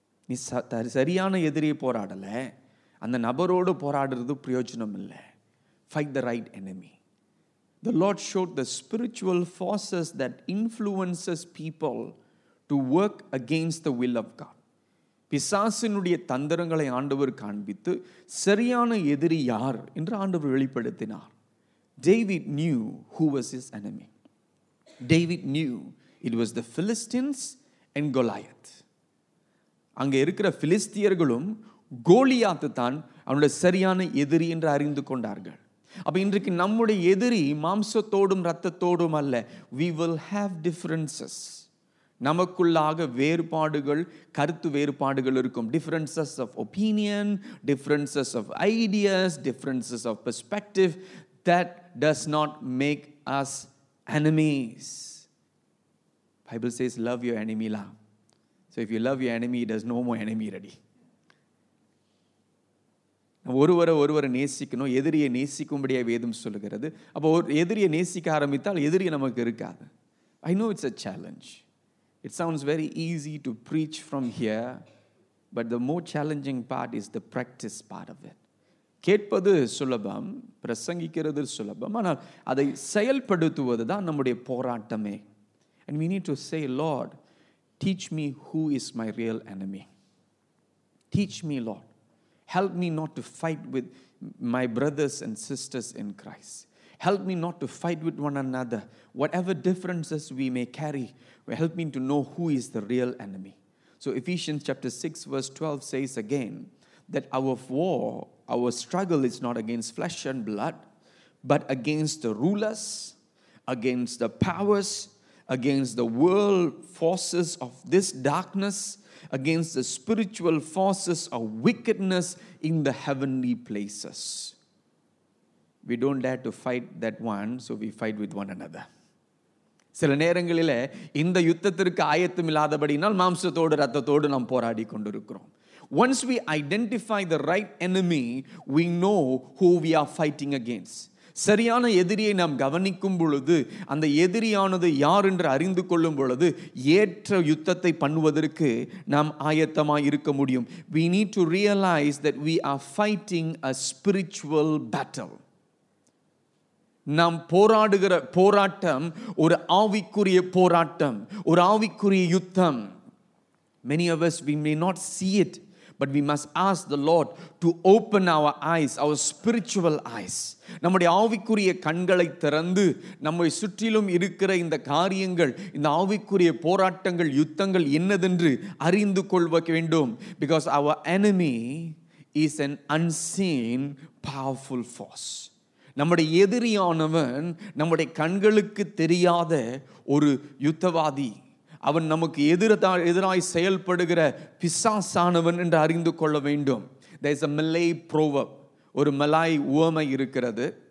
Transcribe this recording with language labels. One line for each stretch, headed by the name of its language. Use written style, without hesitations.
Tamil: நீ சரியான எதிரியை போராடலை, அந்த நபரோடு போராடுறது பிரயோஜனம் இல்லை.
English: Fight the right enemy. The Lord showed the spiritual forces that influences people to work against the will of God.
Tamil: பிசாசினுடைய தந்திரங்களை ஆண்டவர் காண்பித்து சரியான எதிரி யார் என்று ஆண்டவர் வெளிப்படுத்தினார்.
English: David knew who was his enemy. David knew it was the Philistines and Goliath.
Tamil: அங்க இருக்கிற பிலிஸ்தியர்களும் கோலியாத்து தான் அவனுடைய சரியான எதிரி என்று அறிந்து கொண்டார்கள். அப்ப இன்றைக்கு நம்முடைய எதிரி மாம்சத்தோடும் ரத்தத்தோடும் அல்ல.
English: We will have differences.
Tamil: நமக்குள்ளாக வேறுபாடுகள் கருத்து வேறுபாடுகள் இருக்கும்
English: differences of opinion, differences of ideas, differences of perspective. That does not make us enemies. Bible says love your enemy la. So if you love your enemy, there's no more enemy ready.
Tamil: ஒருவரை ஒருவரை நேசிக்கணும், எதிரியை நேசிக்கும்படியாக வேதம் சொல்லுகிறது. அப்போ ஒரு எதிரியை நேசிக்க ஆரம்பித்தால் எதிரி நமக்கு இருக்காது.
English: I know it's a challenge. It sounds very easy to preach from here, but the more challenging part is the practice part of it.
Tamil: கேட்பது சுலபம், பிரசங்கிக்கிறது சுலபம், ஆனால் அதை செயல்படுத்துவது தான் நம்முடைய போராட்டமே.
English: And we need to say, Lord, teach me who is my real enemy. Teach me Lord. Help me not to fight with my brothers and sisters in Christ. Help me not to fight with one another. Whatever differences we may carry, help me to know who is the real enemy. So Ephesians chapter 6 verse 12 says again that our war, our struggle is not against flesh and blood, but against the rulers, against the powers, against the world forces of this darkness, against the spiritual forces of wickedness in the heavenly places. We don't dare to fight that one, so we fight with one another.
Tamil: சில நேரங்களில் இந்த யுத்தத்திற்கு ஆயத்தம் இல்லாதபடினால் மாம்சத்தோடு ரத்தத்தோடு நாம் போராடி கொண்டிருக்கிறோம்.
English: Once we identify the right enemy, we know who we are fighting against.
Tamil: சரியான எதிரியை நாம் கவனிக்கும் பொழுது, அந்த எதிரியானது யார் என்று அறிந்து கொள்ளும் பொழுது, ஏற்ற யுத்தத்தை பண்ணுவதற்கு நாம் ஆயத்தமாக இருக்க முடியும்.
English: We need to realize that we are fighting a spiritual battle.
Tamil: நாம் போராடுகிற போராட்டம் ஒரு ஆவிக்குரிய போராட்டம், ஒரு ஆவிக்குரிய யுத்தம்.
English: Many of us, we may not see it, but we must ask the Lord to open our eyes, our spiritual eyes.
Tamil: நம்முடைய ஆவிக்குரிய கண்களை திறந்து, நம்மை சுற்றிலும் இருக்கிற இந்த காரியங்கள், இந்த ஆவிக்குரிய போராட்டங்கள், யுத்தங்கள் என்னதென்று அறிந்து கொள்ள வேண்டும்.
English: Because our enemy is an unseen powerful force.
Tamil: நம்முடைய எதிரியானவன் நம்முடைய கண்களுக்கு தெரியாத ஒரு யுத்தவாதி, அவன் நமக்கு எதிராய் செயல்படுகிற பிசாசானவன் என்று அறிந்து கொள்ள வேண்டும்.
English: There is a Malay proverb.
Tamil: ஒரு மலாய் உவமை இருக்கிறது.